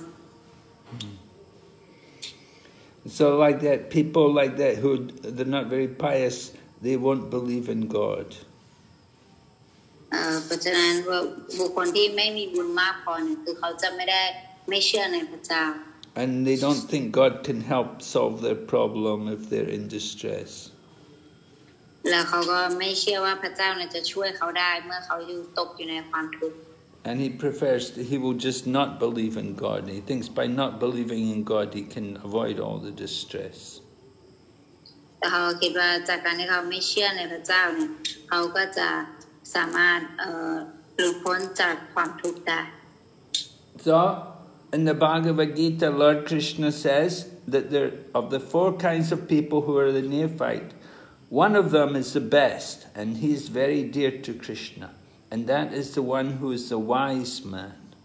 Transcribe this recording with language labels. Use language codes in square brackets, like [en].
[en] So like that, people like that who they're not very pious, they won't believe in God. [th] เพราะฉะนั้นบุคคลที่ไม่มีบุญมากพอเนี่ยคือเขาจะไม่ได้ไม่เชื่อในพระเจ้า [en] And they don't think God can help solve their problem if they're in distress. [th] แล้วเขาก็ไม่เชื่อว่าพระเจ้าเนี่ยจะช่วยเขาได้เมื่อเขาอยู่ตกอยู่ในความทุกข์ [en] And he prefers he will just not believe in God. He thinks by not believing in God he can avoid all the distress. [th] แต่เขาคิดว่าจากการที่เขาไม่เชื่อในพระเจ้าเนี่ยเขาก็จะสามารถหลุดพ้นจากความทุกข์ได้ [en] So in the Bhagavad Gita Lord Krishna says that there of the four kinds of people who are the neophyteOne of them is the best, and he is very dear to Krishna, and that is the one who is the wise man.